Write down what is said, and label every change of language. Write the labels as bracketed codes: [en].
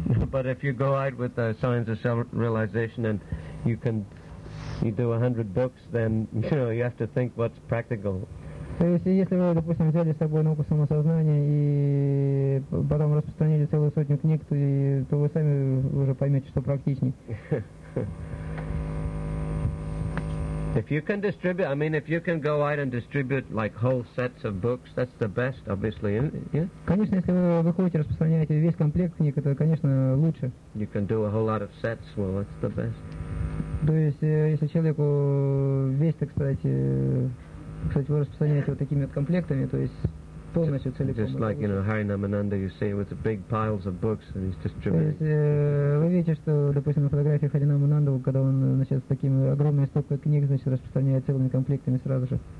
[en] But if you go out with the Science of Self-Realization and you do 100 books, then you know you have to think what's practical. [ru] То есть, если вы, допустим, взяли с собой науку самосознания и потом распространили целую сотню книг, то вы сами уже поймете, что практичнее. [en] If you can distribute, I mean, if you can go out and distribute like whole sets of books, that's the best, obviously, yeah? [ru] Конечно, если вы выходите, распространяете весь комплект книг, это, конечно, лучше. [en] You can do a whole lot of sets, well, that's the best. [ru] То есть, если человеку весь, так сказать, кстати, вы распространяете вот такими вот комплектами, то есть полностью целиком. [en] Just like, you know, Hari Namananda, you see, with the big piles of books, and he's distributing. [ru] То есть вы видите, что, допустим, на фотографии Хари Намананды, когда он, значит, с такими огромной стопкой книг, значит, распространяет целыми комплектами сразу же.